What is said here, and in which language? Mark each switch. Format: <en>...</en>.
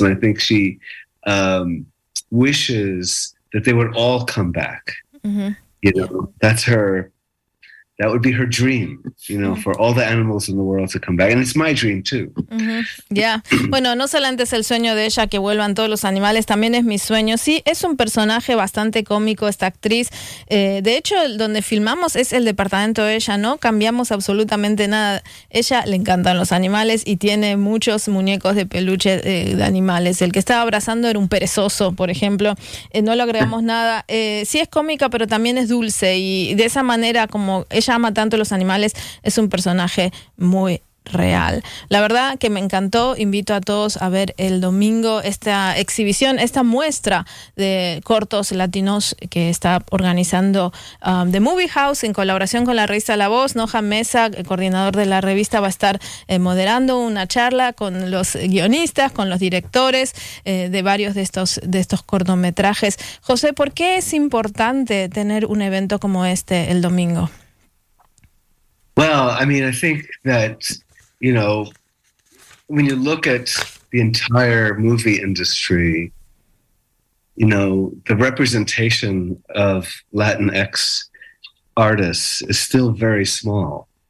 <en>And I think she wishes that they would all come back. Mm-hmm. You know, that would be her dream, you know, for all the animals in the world to come back. And it's my dream too. Mm-hmm. Yeah.</en> <es>Bueno, no solamente es el sueño de ella que vuelvan todos los animales, también es mi sueño. Sí, es un personaje bastante cómico, esta actriz. De hecho, donde filmamos es el departamento de ella, ¿no? Cambiamos absolutamente nada. Ella le encantan los animales y tiene muchos muñecos de peluche de animales. El que estaba abrazando era un perezoso, por ejemplo. No le agregamos nada. Sí es cómica, pero también es dulce. Y de esa manera, como ella ama tanto los animales, es un personaje muy real. La verdad que me encantó. Invito a todos a ver el domingo esta exhibición, esta muestra de cortos latinos que está organizando The Movie House en colaboración con la revista La Voz. Noha Mesa, coordinador de la revista, va a estar moderando una charla con los guionistas, con los directores de varios de estos cortometrajes. José, ¿por qué es importante tener un evento como este el domingo?</es> <en>Well, I mean, I think that, you know, when you look at the entire movie industry, you know, the representation of Latinx artists is still very small.</en>